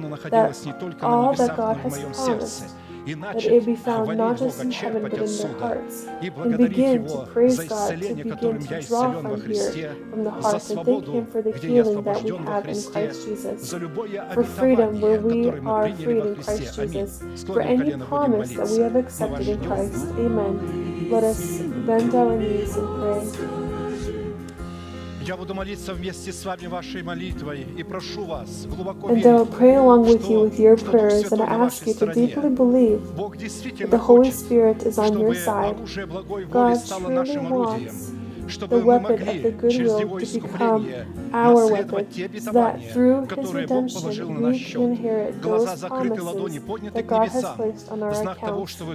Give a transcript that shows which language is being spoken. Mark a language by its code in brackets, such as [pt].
[en] that all that God has promised, that it be found not just in heaven, but in their hearts, and begin to praise God, to begin to draw from here, from the hearts, and thank Him for the healing that we have in Christ Jesus, for freedom where we are free in Christ Jesus, for any promise that we have accepted in Christ. Amen. Let us bend our knees and pray. [ru] Я буду молиться вместе с вами вашей молитвой и прошу вас глубоко верить. [en] And I will pray along with you with your prayers, and I ask you to deeply believe that the Holy Spirit is on your side. God truly wants the weapon of the goodwill to become our weapon, so that through His redemption we can inherit those promises that God has placed on our account.